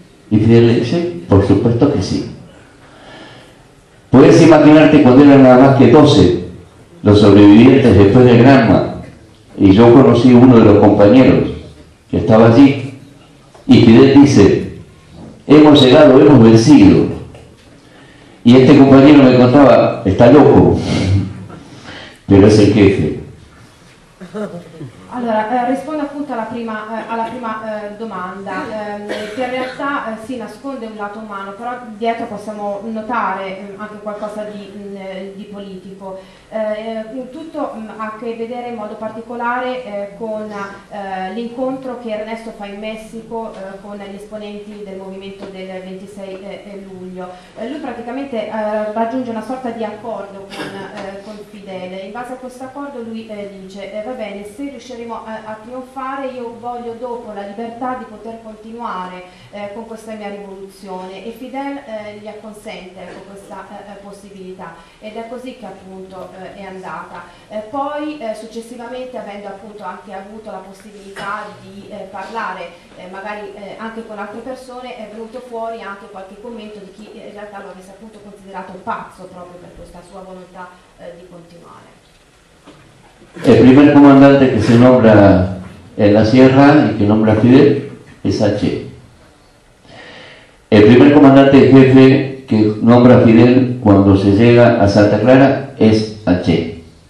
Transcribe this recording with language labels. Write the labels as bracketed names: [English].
[Spanish] Y Fidel le dice, por supuesto que sí. Puedes imaginarte cuando era nada más que 12, los sobrevivientes después de Granma, y yo conocí uno de los compañeros que estaba allí, y Fidel dice, hemos llegado, hemos vencido. Y este compañero me contaba, está loco, pero es el jefe. [Italian] Allora, rispondo appunto alla prima domanda. Che in realtà si nasconde un lato umano, però dietro possiamo notare anche qualcosa di politico. Tutto ha a che vedere in modo particolare con l'incontro che Ernesto fa in Messico con gli esponenti del movimento del 26 luglio. Lui praticamente raggiunge una sorta di accordo con Fidel. In base a questo accordo lui dice va bene, se riusciremo a trionfare io voglio dopo la libertà di poter continuare con questa mia rivoluzione, e Fidel gli acconsente con questa possibilità, ed è così che appunto è andata. Poi successivamente, avendo appunto anche avuto la possibilità di parlare magari anche con altre persone, è venuto fuori anche qualche commento di chi in realtà lo avesse appunto considerato pazzo proprio per questa sua volontà di continuare. [Spanish] El primer comandante que se nombra en la sierra y que nombra Fidel es H. El primer comandante jefe que nombra Fidel cuando se llega a Santa Clara es H.